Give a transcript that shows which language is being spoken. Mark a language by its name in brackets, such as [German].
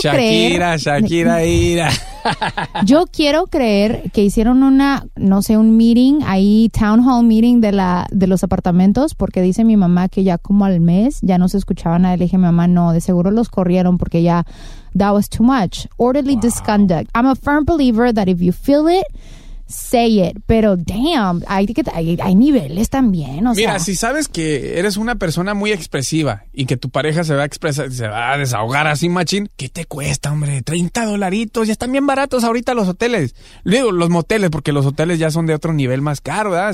[Spanish] Shakira, ira. Yo quiero creer que hicieron una, no sé, un meeting ahí, town hall meeting de los apartamentos, porque dice mi mamá que ya como al mes ya no se escuchaba nada. Le dije, mamá, no, de seguro los corrieron porque ya, [English] that was too much. Orderly misconduct. I'm a firm believer that if you feel it, say it. [Spanish] Pero damn, hay niveles también. O mira, si sabes que eres una persona muy expresiva y que tu pareja se va a expresar, se va a desahogar así, machín, ¿qué te cuesta, hombre? $30, ya están bien baratos ahorita los hoteles. Digo, los moteles, porque los hoteles ya son de otro nivel más caro, ¿verdad?